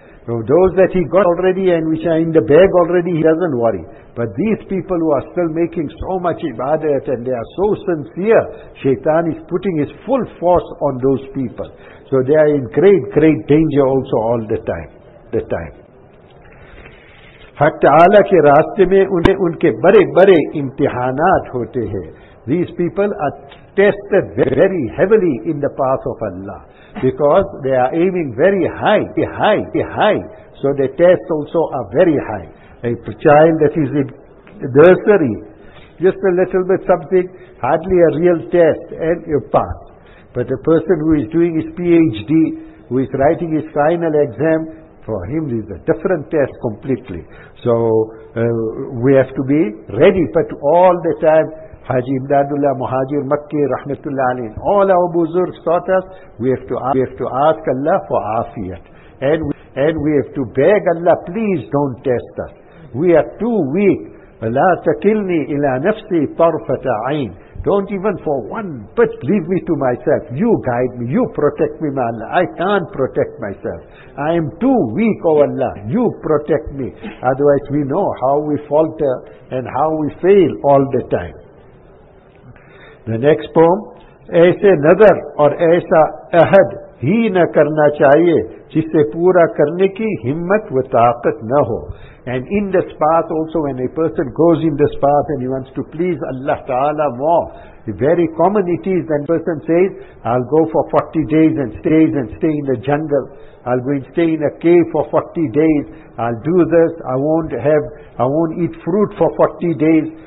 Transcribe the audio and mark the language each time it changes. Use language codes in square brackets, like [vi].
[en] So those that he got already and which are in the bag already, he doesn't worry. But these people who are still making so much ibadat and they are so sincere, shaitan is putting his full force on those people. So they are in great, great danger also all the time. The time. [ur] حتی اعلیٰ کے راستے میں انہیں ان کے بڑے بڑے امتحانات ہوتے ہیں. [en] These people are tested very heavily in the path of Allah, because they are aiming very high, high. So the tests also are very high. A child that is in nursery, just a little bit something, hardly a real test, and you pass. But the person who is doing his PhD, who is writing his final exam, for him it is a different test completely. So we have to be ready. But all the time, Haji Imdadullah Muhajir Makki Rahmatullah Alayhi, all our buzurg taught us, we have to ask Allah for afiyat. And we have to beg Allah, please don't test us. We are too weak. [ar] لا تكلني إلى نفسي طرفة عين. [en] Don't even for one bit leave me to myself. You guide me. You protect me, my Allah. I can't protect myself. I am too weak, O Allah. You protect me. Otherwise we know how we falter and how we fail all the time. The next poem. [ur] ایسے نظر اور ایسا عہد ہی نہ کرنا چاہیے جسے پورا کرنے کی ہمت و طاقت نہ ہو. [en] And in this path also, when a person goes in this path and he wants to please Allah Ta'ala more, very common it is that person says, I'll go for 40 days and stays and stay in the jungle. I'll go and stay in a cave for 40 days. I'll do this. I won't eat fruit for 40 days.